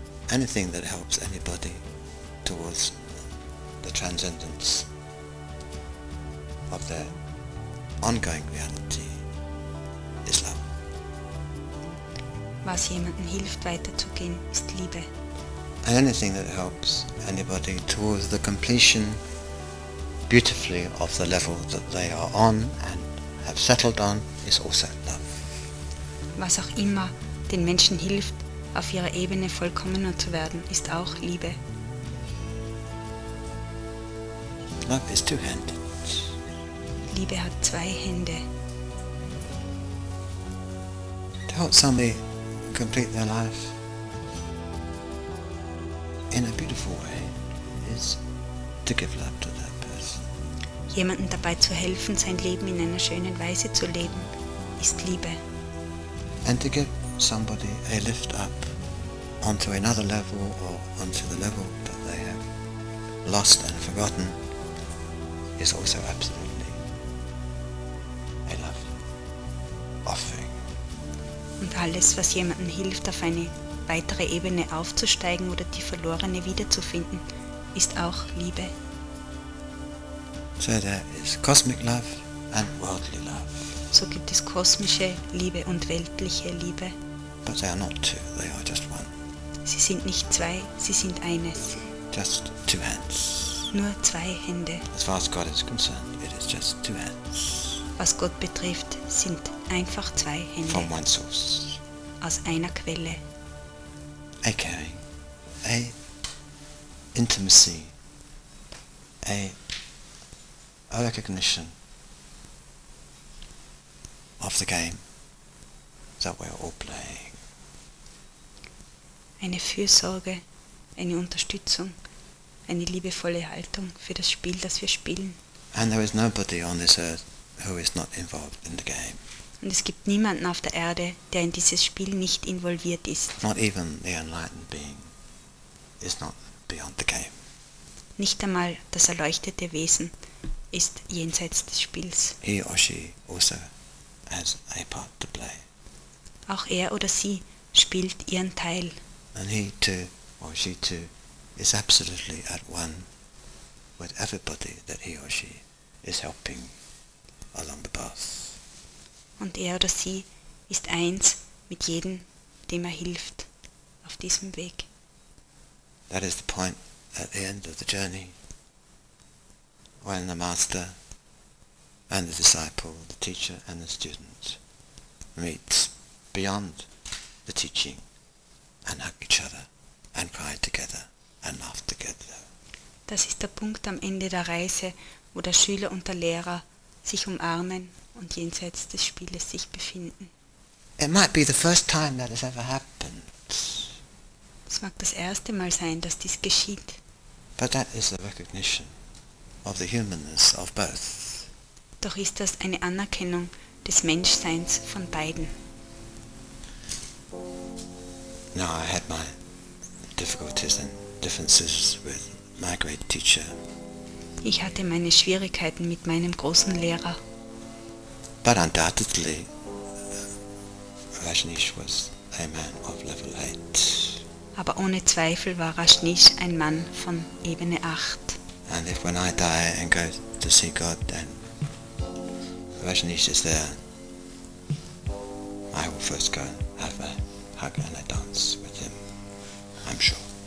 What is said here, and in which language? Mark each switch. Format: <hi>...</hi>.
<en>Anything that helps anybody towards the transcendence of their ongoing reality is love.</en> <de>Was jemandem hilft, weiterzugehen, ist Liebe.</de> <en>And anything that helps anybody towards the completion beautifully of the level that they are on and have settled on is also love.</en> <de>Was auch immer den Menschen hilft, auf ihrer Ebene vollkommener zu werden, ist auch Liebe.</de> <en>Love is two-handed.</en> <de>Liebe hat zwei Hände.</de> <en>To help somebody complete their life in a beautiful way is to give love to that person.</en> <de>Jemanden dabei zu helfen, sein Leben in einer schönen Weise zu leben, ist Liebe.</de> <en>And to give somebody a lift up onto another level or onto the level that they have lost and forgotten is also absolutely a love offering.</en> <de>Und alles, was jemandem hilft, auf eine weitere Ebene aufzusteigen oder die verlorene wiederzufinden, ist auch Liebe.</de> <en>So there is cosmic love and worldly love.</en> <de>So gibt es kosmische Liebe und weltliche Liebe.</de> <en>But they are not two, they are just one.</en> <de>Sie sind nicht zwei, sie sind eines.</de> <en>Just two hands.</en> <de>Nur zwei Hände.</de> <en>As far as God is concerned, it is just two hands.</en> <de>Was Gott betrifft, sind einfach zwei Hände.</de> <en>From one source.</en> <de>Aus einer Quelle.</de> <en>A caring, a intimacy, a recognition of the game that we're all playing.</en> <de>Eine Fürsorge, eine Unterstützung, eine liebevolle Haltung für das Spiel, das wir spielen.</de> <en>And there is nobody on this earth who is not involved in the game.</en> <de>Und es gibt niemanden auf der Erde, der in dieses Spiel nicht involviert ist.</de> <en>Not even the enlightened being. is not beyond the game.</en> <de>Nicht einmal das erleuchtete Wesen ist jenseits des Spiels.</de> <en>He or she also has a part to play.</en> <de>Auch er oder sie spielt ihren Teil.</de> <en>And he too or she too is absolutely at one with everybody that he or she is helping along the path.</en> <de>Und er oder sie ist eins mit jedem, dem er hilft auf diesem Weg.</de> <en>That is the point at the end of the journey, when the master and the disciple, the teacher and the student meet beyond the teaching and hug each other and cry together and laugh together.</en> <de>Das ist der Punkt am Ende der Reise, wo der Schüler und der Lehrer sich umarmen und jenseits des Spieles sich befinden.</de> <en>It might be the first time that has ever happened.</en> <de>Es mag das erste Mal sein, dass dies geschieht.</de> <en>But that is a recognition of the humanness of both.</en> <de>Doch ist das eine Anerkennung des Menschseins von beiden.</de> <en>Now I had my difficulties and differences with my great teacher.</en> <de>Ich hatte meine Schwierigkeiten mit meinem großen Lehrer.</de> <en>But undoubtedly, Rajneesh was a man of level 8.</en> <de>Aber ohne Zweifel war Rajneesh ein Mann von Ebene 8.</de> <en>And if when I die and go to see God, then Rajneesh is there, I will first go and have a hug and a dance with him, I'm sure.</en>